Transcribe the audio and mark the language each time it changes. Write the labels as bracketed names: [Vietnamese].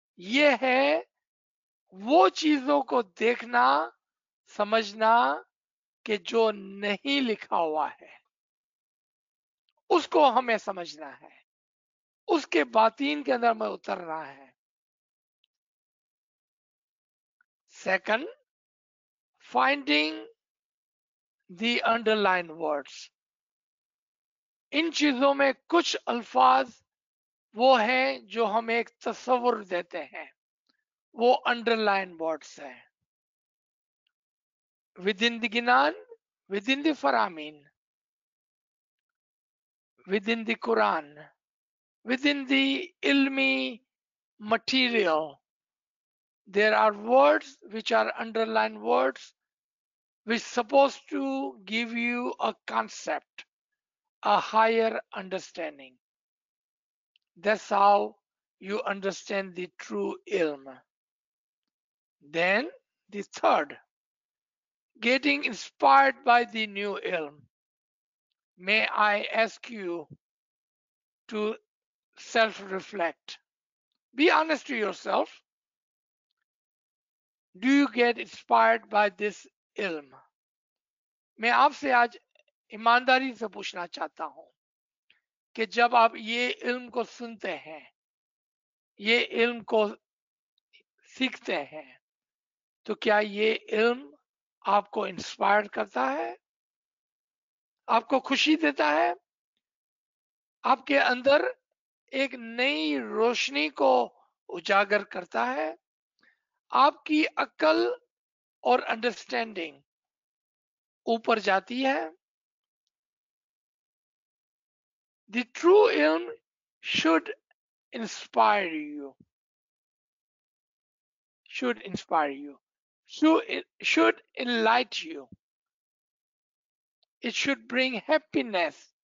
[Hindi] यह है वो चीजों को देखना समझना कि जो नहीं लिखा हुआ है उसको हमें समझना है, उसके बातिन के अंदर मैं उतर रहा है. [English] Second, finding the underlined words. [Hindi] इन चीजों में कुछ अल्फाज वो हैं जो हमें एक तस्वीर देते हैं, वो [English] underlined words [Hindi] हैं. [English] Within the ज्ञान, within the फरामीन, within the Quran, within the इल्मी material, there are words which are underlined words which supposed to give you a concept, a higher understanding. That's how you understand the true ilm. Then the third, getting inspired by the new ilm. May I ask you to self-reflect. Be honest to yourself. Do you get inspired by this ilm? [Hindi] मैं आपसे आज ईमानदारी से पूछना चाहता हूं कि जब आप ये इल्म को सुनते हैं, ये इल्म को सीखते हैं, तो क्या ये इल्म आपको इंस्पायर करता है, आपको खुशी देता है, आपके अंदर एक नई रोशनी को उजागर करता है, आपकी अकल और अंडरस्टैंडिंग ऊपर जाती है? [English] The true ilm should inspire you. Should inspire you. Should enlighten you. It should bring happiness.